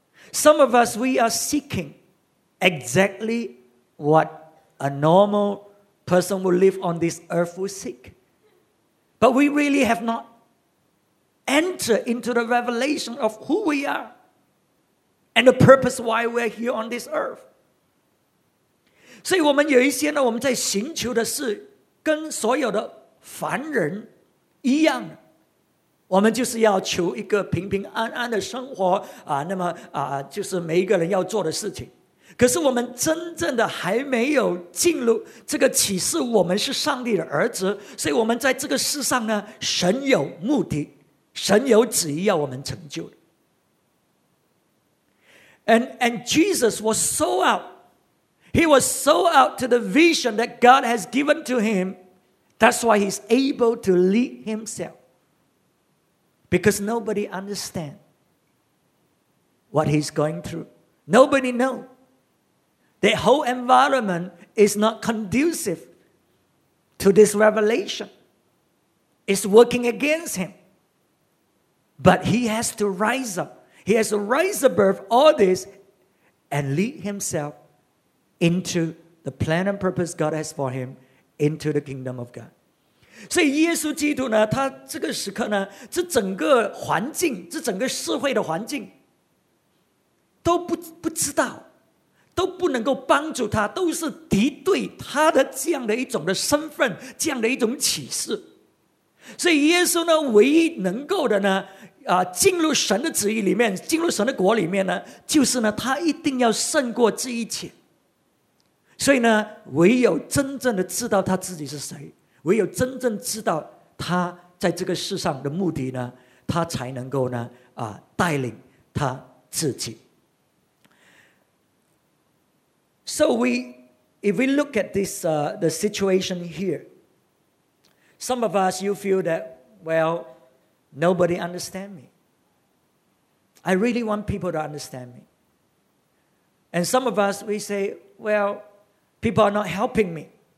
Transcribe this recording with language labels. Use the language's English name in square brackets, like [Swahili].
[English] Some of us, we are seeking exactly what a normal person who live on this earth will seek. But we really have not entered into the revelation of who we are and the purpose why we're here on this earth. [Chinese] 所以我们有一些呢，我们在寻求的是跟所有的凡人一样，我们就是要求一个平平安安的生活啊，那么啊，就是每一个人要做的事情。可是我们真正的还没有进入这个启示，我们是上帝的儿子，所以我们在这个世上呢，神有目的，神有旨意要我们成就的。 [English] And Jesus was sold out. He was sold out to the vision that God has given to him. That's why he's able to lead himself. Because nobody understands what he's going through. Nobody knows. The whole environment is not conducive to this revelation. It's working against him. But he has to rise up. He has to rise above all this and lead himself into the plan and purpose God has for him, into the kingdom of God. [Chinese] 所以耶稣基督呢，他这个时刻呢，这整个环境，这整个社会的环境都 不知道，都不能够帮助他，都是敌对他的这样的一种的身份，这样的一种启示。所以耶稣呢，唯一能够的呢，进入神的旨意里面，进入神的国里面呢，就是呢，他一定要胜过这一切。所以呢，唯有真正的知道他自己是谁，唯有真正知道他在这个世上的目的呢，他才能够呢，带领他自己。 [English] So if we look at this, the situation here, some of us, you feel that, well,Nobody understand me. I really want people to understand me. And some of us, we say, well, people are not helping me.